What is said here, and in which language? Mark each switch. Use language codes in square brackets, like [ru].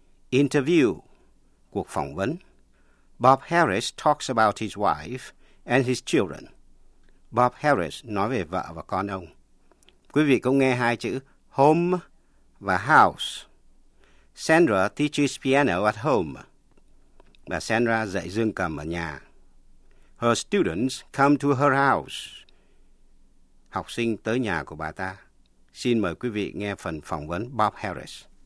[vi] Interview, cuộc phỏng vấn. [en] Bob Harris talks about his wife and his children. [vi] Bob Harris nói về vợ và con ông. Quý vị cũng nghe hai chữ home và house. [en] Sandra teaches piano at home. [vi] Bà Sandra dạy dương cầm ở nhà. [en] Her students come to her house. [vi] Học sinh tới nhà của bà ta. Xin mời quý vị nghe phần phỏng vấn Bob Harris.